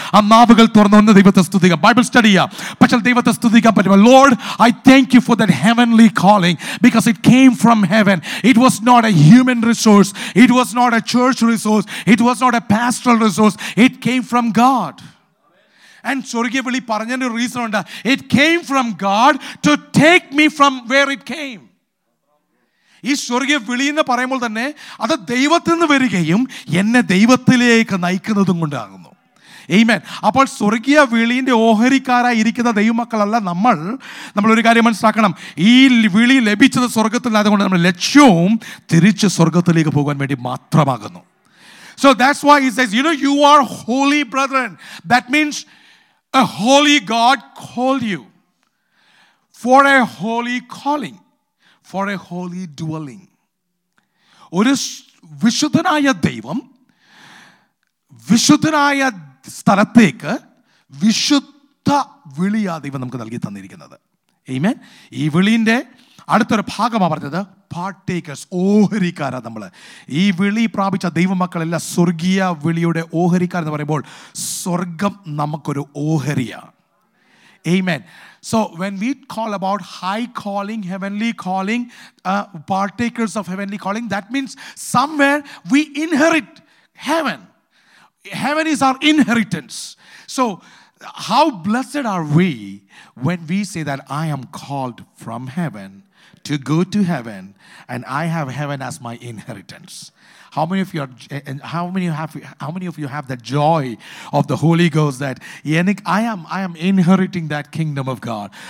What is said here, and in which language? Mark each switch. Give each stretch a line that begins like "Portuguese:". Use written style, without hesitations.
Malayalam: ആ നാവുകൾ തുറന്ന് ഒന്ന് ദൈവത്തെ സ്തുതിക്കാം. ബൈബിൾ സ്റ്റഡി ചെയ്യാം. പക്ഷേ ദൈവത്തെ സ്തുതിക്കാൻ പറ്റുമോ?
English: Lord, I thank you for that heavenly calling, because it came from heaven. It was not a human resource, it was not a church resource, it was not a pastoral resource, it came from God. And
Malayalam: Sorgiya Vili paranja oru reason unda,
English: it came from God to take me from where it came.
Malayalam: ഈ സ്വർഗീയ വിളി എന്ന് പറയുമ്പോൾ തന്നെ അത് ദൈവത്തിൽ നിന്ന് വരികയും എന്നെ ദൈവത്തിലേക്ക് നയിക്കുന്നതും കൊണ്ടാകുന്നു. ആമേൻ. അപ്പോൾ സ്വർഗീയ വിളിയിൻ്റെ ഓഹരിക്കാരായി ഇരിക്കുന്ന ദൈവമക്കളല്ല നമ്മൾ. നമ്മളൊരു കാര്യം മനസ്സിലാക്കണം, ഈ വിളി ലഭിച്ചത് സ്വർഗത്തിൽ നിന്ന്. അതുകൊണ്ട് നമ്മുടെ ലക്ഷ്യവും തിരിച്ച് സ്വർഗത്തിലേക്ക് പോകാൻ വേണ്ടി മാത്രമാകുന്നു.
English: So that's why he says, you know, you are holy brethren. That means a holy God called you for a holy calling, for a holy dwelling.
Malayalam: ഒരു വിശുദ്ധനായ ദൈവം വിശുദ്ധനായ സ്ഥലത്തേക്ക് വിശുദ്ധ വിളിയാ ദൈവം നമുക്ക് നൽകി തന്നിരിക്കുന്നത്. ആമേൻ. ഈ വിളിയിൻ്റെ അടുത്തൊരു ഭാഗമാണ് പറഞ്ഞത് പാർട്ടേക്കേഴ്സ്, ഓഹരിക്കാരാ നമ്മൾ. ഈ വിളി പ്രാപിച്ച ദൈവമക്കളല്ല സ്വർഗീയ വിളിയുടെ ഓഹരിക്കാർ എന്ന് പറയുമ്പോൾ സ്വർഗം നമുക്കൊരു ഓഹരിയാണ്. ആമേൻ.
English: So when we call about high calling, heavenly calling, partakers of heavenly calling, that means somewhere we inherit heaven. Heaven is our inheritance. So how blessed are we when we say that I am called from heaven to go to heaven and I have heaven as my inheritance. How many of you are, how many of you have the joy of the Holy Ghost that
Malayalam: yenik
English: I am inheriting that kingdom of God?